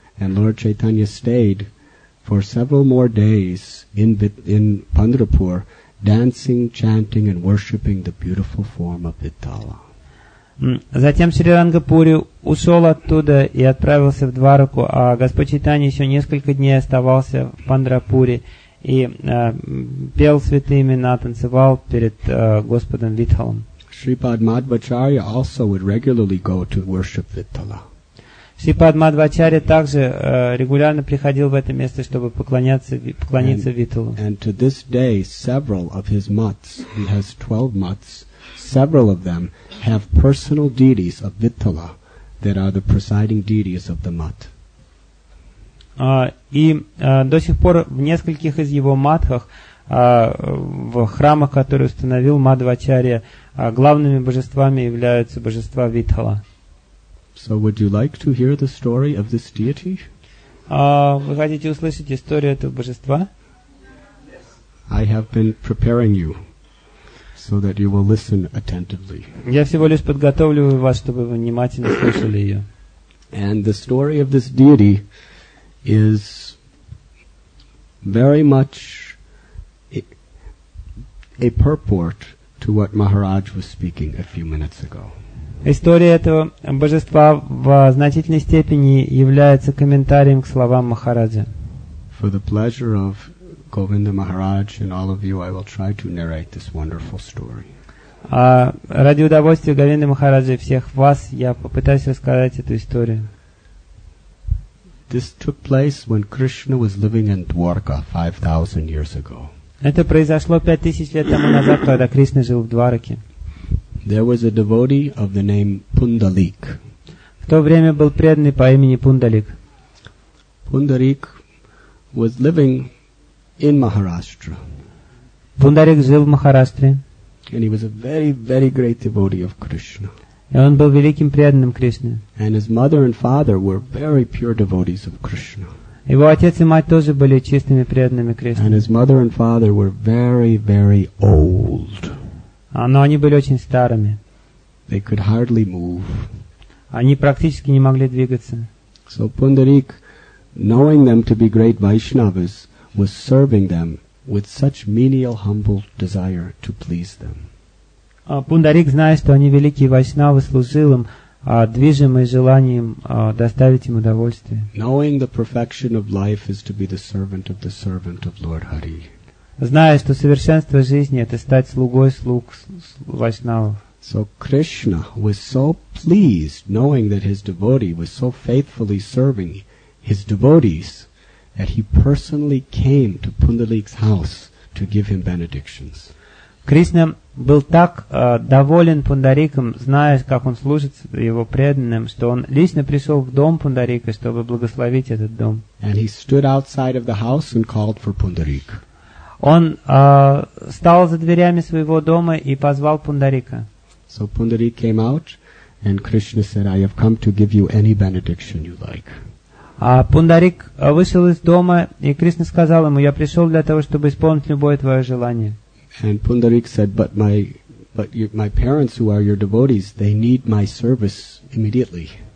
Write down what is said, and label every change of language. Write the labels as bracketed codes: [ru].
[en] And Lord Chaitanya stayed for several more days in Pandrapur, dancing, chanting and worshipping the beautiful form of Vitthala. [ru] Затем Шри Рангапури ушел оттуда и отправился в Двараку, а Господь Чайтанья еще несколько дней оставался в Пандрапуре и пел святые имена, танцевал перед Господом Витхалом. [en] Шрипад Мадхвачарья also would regularly go to worship Витхала. [ru] Шрипад Мадхвачарья также регулярно приходил в это место, чтобы поклониться Витхалу. [en] And to this day, several of his mutts, he has 12 mutts, several of them have personal deities of Vittala that are the presiding deities of the mat. [ru] До сих пор в нескольких из его матхах, в храмах, которые установил Мадхвачарья, главными божествами являются божества Витхала. [en] So would you like to hear the story of this deity? [ru] Вы хотите услышать историю этого божества? [en] I have been preparing you so that you will listen attentively. [ru] Я всего лишь подготавливаю вас, чтобы вы внимательно слушали ее. [en] And the story of this deity is very much a purport to what Maharaj was speaking a few minutes ago. [ru] История этого божества в значительной степени является комментарием к словам Махараджа. [en] For the pleasure of Govinda Maharaj and all of you, I will try to narrate this wonderful story. [ru] Ради удовольствия Говинды Махараджи и всех вас, я попытаюсь рассказать эту историю. [en] This took place when Krishna was living in Dwarka 5,000 years ago. [ru] Это произошло 5,000 лет тому назад, когда Кришна жил в Двараке. [en] There was a devotee of the name Pundalik. [ru] В то время был преданный по имени Пундалик. [en] Пундалик was living in Maharashtra. [ru] Пундарик жил в Махараштре. [en] And he was a very, very great devotee of Krishna. [ru] И он был великим преданным Кришне. [en] And his mother and father were very pure devotees of Krishna. [ru] Его отец и мать тоже были чистыми преданными Кришне. [en] And his mother and father were very, very old. [ru] Но они были очень старыми. [en] They could hardly move. [ru] Они практически не могли двигаться. [en] So Пундарик, knowing them to be great Vaishnavas, was serving them with such menial, humble desire to please them. [ru] Пундарик, зная, что они великие вайшнавы, служил им, движимый желанием доставить им удовольствие. [en] Knowing the perfection of life is to be the servant of the servant of Lord Hari. [ru] Зная, что совершенство жизни — это стать слугой слуг вайшнавов. [en] So Krishna was so pleased, knowing that his devotee was so faithfully serving his devotees, that he personally came to Pundalik's house to give him benedictions. [ru] Krishna был так доволен Пундариком, зная, как он служит его преданным, что он лично пришел в дом Пундарика, чтобы благословить этот дом. [en] And he stood outside of the house and called for Pundarik. [ru] Он стал за дверями своего дома и позвал Пундарика. [en] So Pundarik came out, and Krishna said, "I have come to give you any benediction you like." [ru] Пундарик вышел из дома, и Кришна сказал ему, «Я пришел для того, чтобы исполнить любое твое желание». [en] And Pundarik said, but my parents, who are your devotees, they need my service immediately.